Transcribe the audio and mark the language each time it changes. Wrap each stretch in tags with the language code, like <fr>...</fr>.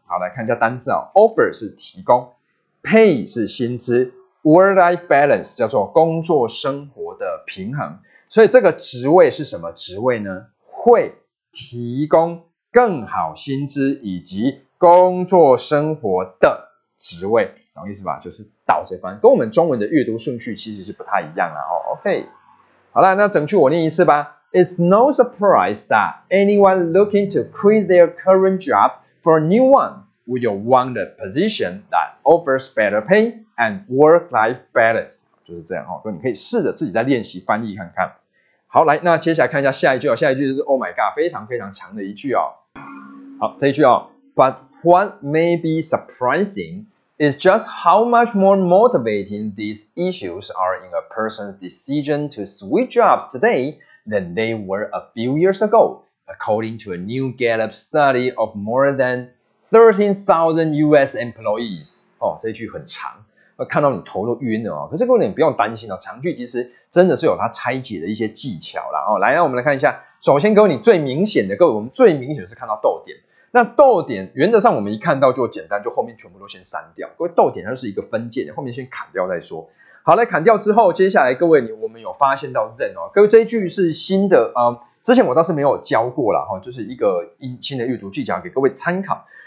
<zh>好，来看一下单字、offer 是提供， pay 是薪资，Work-life balance 叫做工作生活的平衡，所以这个职位是什么职位呢？会提供更好薪资以及工作生活的职位，懂意思吧？就是倒着翻，跟我们中文的阅读顺序其实是不太一样啦。 OK， 好啦，那整句我念一次吧。</zh> <en>It's no surprise that anyone looking to quit their current job for a new one will want a position that offers better pay. And work-life balance</en> <zh>就是这样哦，所以你可以试着自己再练习翻译看看。好，来，那接下来看一下下一句哦，下一句就是</zh> <en>Oh my God，</en> <zh>非常非常长的一句哦。好，这一句哦</zh> <en>，But what may be surprising is just how much more motivating these issues are in a person's decision to switch jobs today than they were a few years ago, according to a new Gallup study of more than 13,000 U.S.</en> <zh>employees。 哦，这一句很长。看到你头都晕了、可是各位你不用担心、长句其实真的是有它拆解的一些技巧啦、来，让我们来看一下。首先各位，你最明显的，各位，我们最明显的是看到逗点，那逗点原则上我们一看到就简单，就后面全部都先删掉。各位，逗点它就是一个分界点，后面先砍掉再说。好，来，砍掉之后，接下来各位你我们有发现到 then 哦，各位，这一句是新的、之前我倒是没有教过啦、就是一个新的阅读技巧给各位参考。</zh>